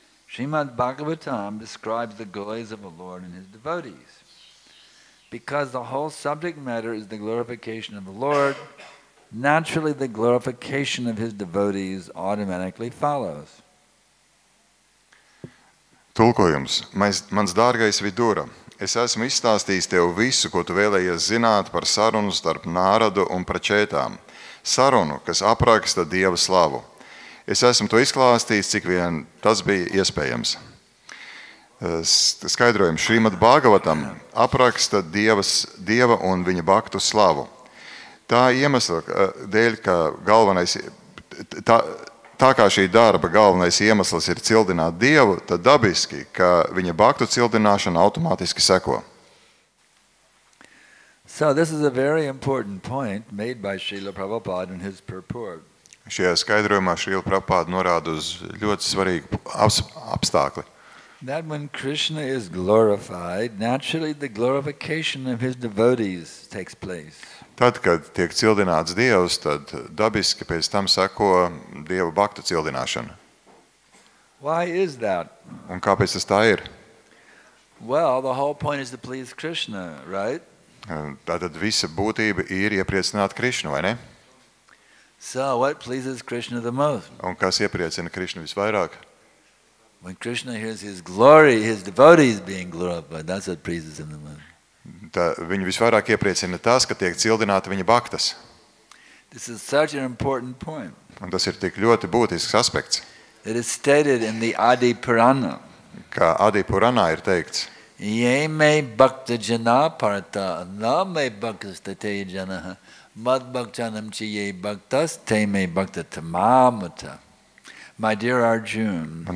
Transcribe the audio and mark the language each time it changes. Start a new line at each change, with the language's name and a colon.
English: Srimad Bhagavatam describes the glories of the Lord and his devotees. Because the whole subject matter is the glorification of the Lord, naturally, the glorification of his devotees automatically follows.
Latvian: Tulkojums. Mans dārgais Vidura, es esmu izstāstījis tev visu, ko tu vēlējies zināt par sarunu starp Nāradu un Pračētām. Sarunu, kas apraksta Dieva slavu. Es esmu to izklāstījis, cik vien tas bija iespējams. Skaidrojums. Šrīmad Bhāgavatam apraksta Dieva un viņa baktu slavu. Tā iemesla dēļ, ka galvenais, tā kā šī darba galvenais iemesls ir cildināt Dievu, tad dabiski, ka viņa baktu cildināšana automātiski seko.
English: So this is a very important point made by Srila Prabhupada in his purport.
Latvian: Šajā skaidrojumā Srila Prabhupada norāda uz ļoti svarīgu apstākli.
English: That when Krishna is glorified, naturally the glorification of his devotees takes place.
Latvian: Tad, kad tiek cildināts Dievs, tad dabiski pēc tam seko Dieva bhakta cildināšana.
English: Why is that?
Latvian: Un kāpēc tas tā ir?
English: Well, the whole point is to please Krishna, right?
Latvian: Tātad visa būtība ir iepriecināt Krišnu, vai ne?
English: So what pleases Krishna the most?
Latvian: Un kas iepriecina Krišnu visvairāk?
English: When Krishna hears his glory, his devotees being glorified, that's what pleases him the most.
Latvian: Tā, viņu visvairāk iepriecina tas, ka tiek cildināti viņa baktas.
English: This is such an important point.
Latvian: Un tas ir tik ļoti būtisks aspekts.
English: It is stated in the Adi Purana.
Latvian: Kā Adi Purana ir teikts.
Sanskrit: Yeme bhakta jana parata name bhakta te jana mad bhaktanam chi ye bhaktas te me bhakta tamamata.
English: My dear Arjuna.